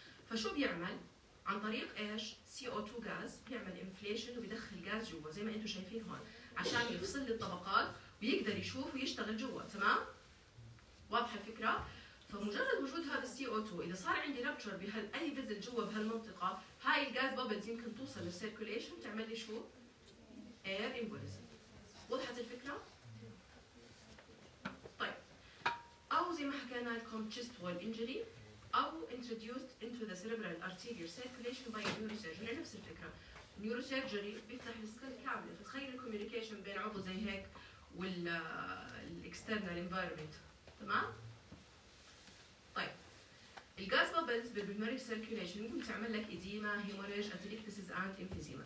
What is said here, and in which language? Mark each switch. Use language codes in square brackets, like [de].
[ar] فشو بيعمل عن طريق ايش؟ CO2 غاز بيعمل انفليشن وبيدخل غاز جوا زي ما انتم شايفين هون عشان يفصل للطبقات ويقدر يشوف ويشتغل جوا تمام. واضحه الفكره؟ فمجرد وجود هذا CO2 اذا صار عندي رابتشر بهال اي فيزل جوا بهالمنطقه هاي الغاز بابلز يمكن توصل للسيركيليشن تعمل لي شو؟ اير امبوليزم. وضحت الفكره؟ أو زي ما حكينا لكم [en] chest wall injury أو introduced into the cerebral arterial circulation by neurosurgery. [ar] نفس الفكرة neurosurgery بيفتح السكال كاملة. فتخيل الكوميونيكيشن بين عضو زي هيك والإكسترنال انفيرمنت تمام؟ طيب الغاز بابلز بالبلمريك سيركيوليشن ممكن تعمل لك إديما هيموريج أتليكتسيز أنت إمفيزيما.